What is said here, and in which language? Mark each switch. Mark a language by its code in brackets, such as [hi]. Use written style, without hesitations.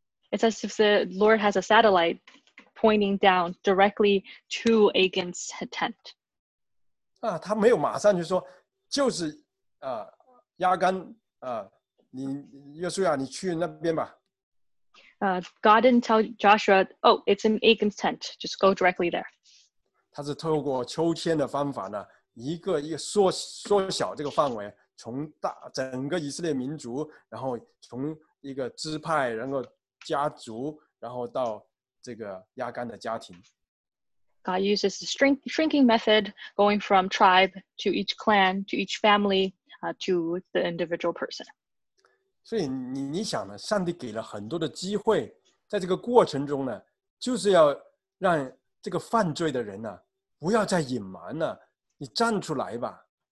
[en] It's as if the Lord has a satellite pointing down directly to Achan's tent. [zh] 他没有马上就说，就是亚干你约书亚，你去那边吧。 [en] God didn't tell Joshua, "Oh, it's in Achan's tent. Just go directly there." [zh] 他是透过秋千的方法呢，一个缩小这个范围。从大整个以色列民族，然后从一个支派，然后家族，然后到这个亚干的家庭。 [en] God uses the shrinking method, going from tribe to each clan to each family, to the individual person. [zh] 所以你想呢？上帝给了很多的机会，在这个过程中呢，就是要让这个犯罪的人呢，不要再隐瞒了，你站出来吧。